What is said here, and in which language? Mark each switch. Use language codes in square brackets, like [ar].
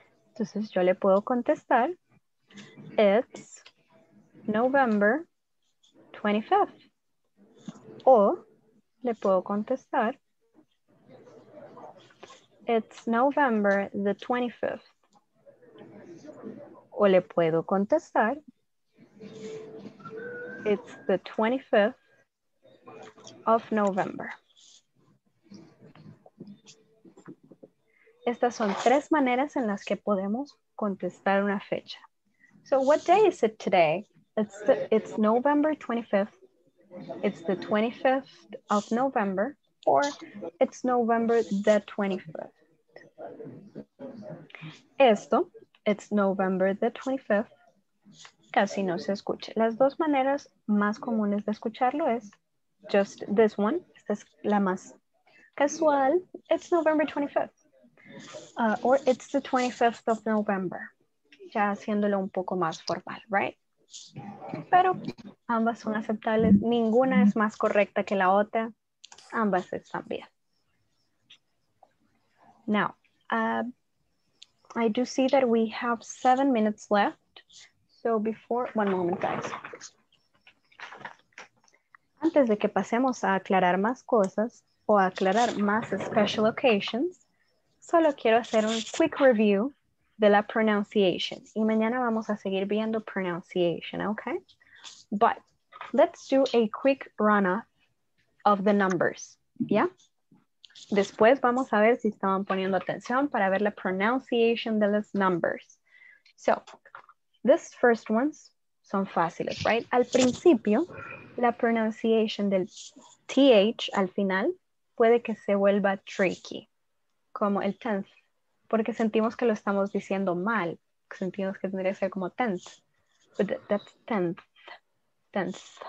[es] Entonces yo le puedo contestar, it's November 25th. O le puedo contestar, it's November the 25th. O le puedo contestar, it's the 25th of November. Estas son tres maneras en las que podemos contestar una fecha. [en] So what day is it today? It's November 25th. It's the 25th of November. Or it's November the 25th. [es] Esto, it's November the 25th. Casi no se escucha. Las dos maneras más comunes de escucharlo es just this one. Esta es la más casual. It's November 25th. Or it's the 25th of November. Ya haciéndolo un poco más formal, right? Pero ambas son aceptables. Ninguna es más correcta que la otra. Ambas están bien. [en] Now, I do see that we have 7 minutes left. So before, one moment, guys. [es] Antes de que pasemos a aclarar más cosas o a aclarar más special occasions, solo quiero hacer un quick review de la pronunciation. Y mañana vamos a seguir viendo pronunciation, okay? [en] But let's do a quick run-up of the numbers, yeah? [es] Después vamos a ver si estaban poniendo atención para ver la pronunciation de los numbers. [en] So, this first ones son fáciles, right? [es] Al principio, la pronunciation del TH al final puede que se vuelva tricky, como el 10th, porque sentimos que lo estamos diciendo mal, sentimos que tendría que ser como 10th, but that's 10th, 10th.